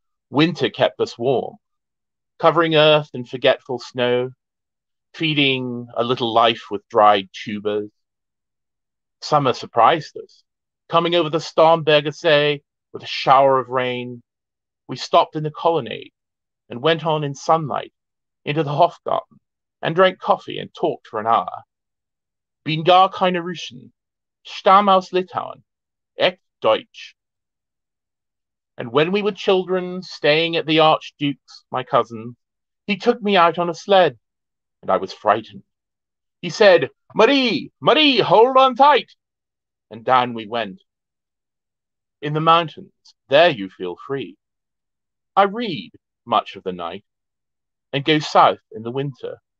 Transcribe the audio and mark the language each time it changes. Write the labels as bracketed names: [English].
[English] Winter kept us warm, covering earth in forgetful snow, feeding a little life with dried tubers. Summer surprised us, coming over the Starnberger See with a shower of rain. We stopped in the colonnade and went on in sunlight into the Hofgarten, and drank coffee and talked for an hour. [German] Bin gar keine Russin, stamm aus Litauen, echt Deutsch. [English] And when we were children, staying at the Archduke's, my cousin, he took me out on a sled, and I was frightened. He said, Marie, hold on tight, and down we went. In the mountains, there you feel free. I read much of the night, and go south in the winter.